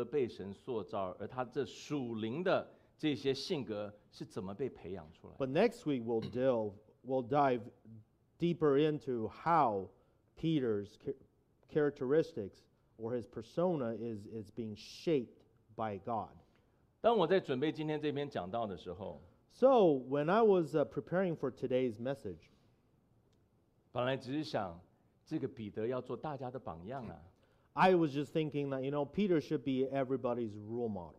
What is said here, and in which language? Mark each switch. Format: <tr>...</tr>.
<zh>但下一周我们要好好的来认识到彼得，他是如何被神塑造，而他这属灵的。</zh> <en>But next week we'll dive deeper into how Peter's characteristics or his persona is being shaped by God. So when I was preparing for today's message,</en> <zh>本来只是想这个彼得要做大家的榜样啊。</zh> <en>I was just thinking that, Peter should be everybody's role model.</en>